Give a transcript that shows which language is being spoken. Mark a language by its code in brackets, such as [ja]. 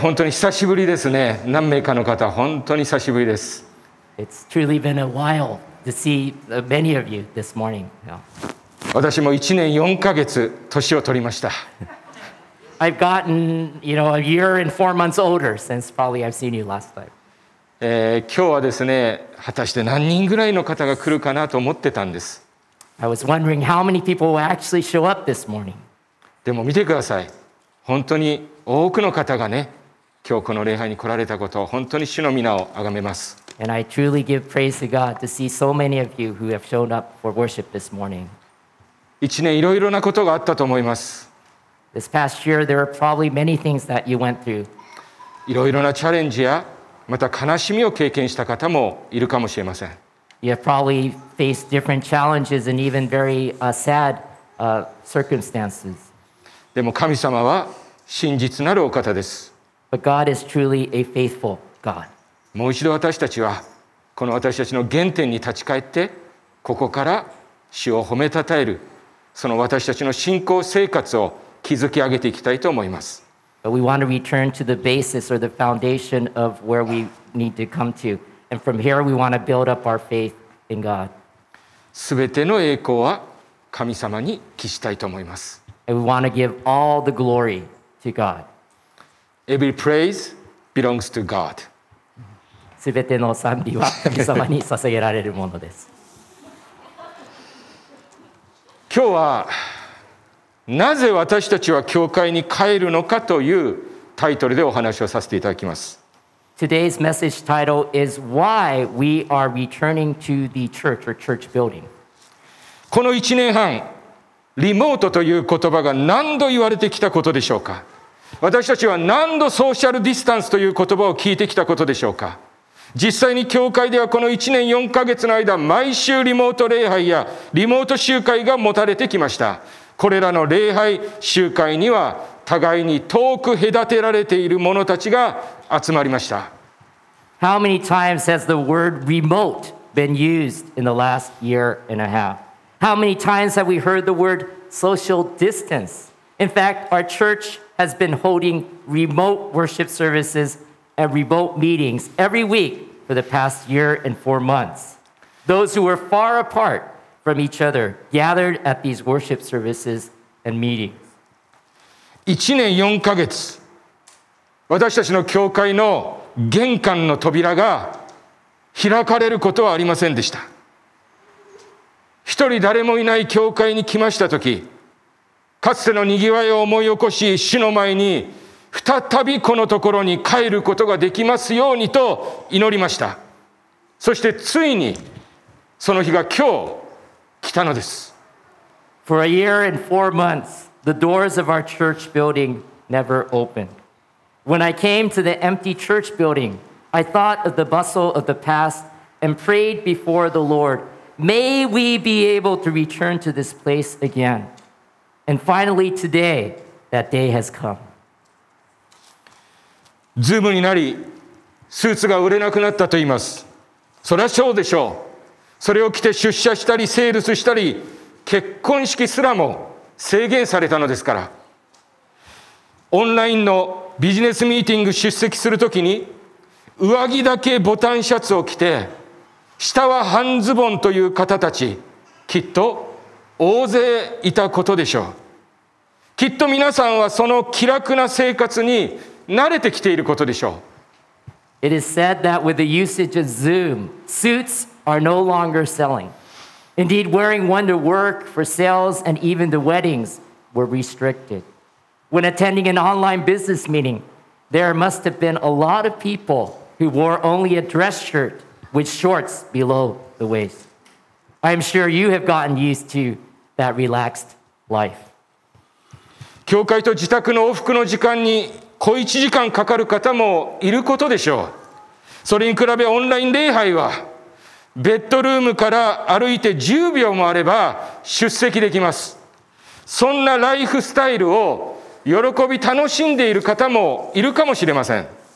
[ja] 本当に久しぶりですね。何名かの方、本当に久しぶりです。 [en] It's truly been a while to see many of you this morning. Yeah. [ja] 私も1年4ヶ月年を取りました。 [en] I've gotten, you know, a year and four months older since probably I've seen you last time. [ja] 今日はですね、果たして何人ぐらいの方が来るかなと思ってたんです。 [en] I was wondering how many people will actually show up this morning. [ja] でも見てください。本当に多くの方がね、今日この礼拝に来られたことを本当に主の皆を崇めます。 [en] And I truly give praise to God to see so many of you who have shown up for worship this morning. [ja] 一年いろいろなことがあったと思います。 [en] This past year there were probably many things that you went through. [ja] いろいろなチャレンジやまた悲しみを経験した方もいるかもしれません。 [en] You have probably faced different challenges and even very sad circumstances. [ja] でも神様は真実なるお方です。 [en] But God is truly a faithful God. [ja] もう一度私たちはこの私たちの原点に立ち返ってここから主を褒めたたえるその私たちの信仰生活を築き上げていきたいと思います。 [en] But we want to return to the basis or the foundation of where we need to come to. And from here, we want to build up our faith in God. [ja] 全ての栄光は神様に帰したいと思います。 [en] And we want to give all the glory to God. Every praise belongs to God. [ja] 全ての賛美は神様に捧げられるものです。今日はなぜ私たちは教会に帰るのかというタイトルでお話をさせていただきます。 [en] Today's message title is Why We Are Returning to the Church or Church Building. [ja] この1年半、リモートという言葉が何度言われてきたことでしょうか。私たちは何度ソーシャルディスタンスという言葉を聞いてきたことでしょうか。実際に教会ではこの1年4ヶ月の間、毎週リモート礼拝やリモート集会が持たれてきました。これらの礼拝集会には互いに遠く隔てられている者たちが集まりました。 [en] How many times has the word remote been used in the last year and a half? How many times have we heard the word social distance? In fact, our church has been holding remote worship services and remote meetings every week for the past year and four months. Those who were far apart from each other gathered at these worship services and meetings. [ja] 1年4ヶ月、私たちの教会の玄関の扉が開かれることはありませんでした。一人誰もいない教会に来ましたとき、かつてのにぎわいを思い起こし、主の前に再びこのところに帰ることができますようにと祈りました。そしてついにその日が今日来たのです。 [en] For a year and four months. The doors of our church building never opened. When I came to the empty church building, I thought of the bustle of the past and prayed before the Lord, may we be able to return to this place again. And finally today, that day has come. [ja] Zoom になり、スーツが売れなくなったと言います。そりゃそうでしょう。それを着て出社したり、セールスしたり、結婚式すらも、制限されたのですから。オンラインのビジネスミーティング出席するときに上着だけボタンシャツを着て下は半ズボンという方たちきっと大勢いたことでしょう。きっと皆さんはその気楽な生活に慣れてきていることでしょう。 [en] It is said that with the usage of Zoom, suits are no longer sellingIndeed, wearing one to work, for sales, and even the weddings were restricted. When attending an online business meeting, there must have been a lot of people who wore only a dress shirt with shorts below the waist. I am sure you have gotten used to that relaxed life. [ja] 教会と自宅の往復の時間に小一時間かかる方もいることでしょう。それに比べオンライン礼拝は、ベッドルームから歩いて10秒もあれば出席できます。そんなライフスタイルを喜び楽しんでいる方もいるかもしれません。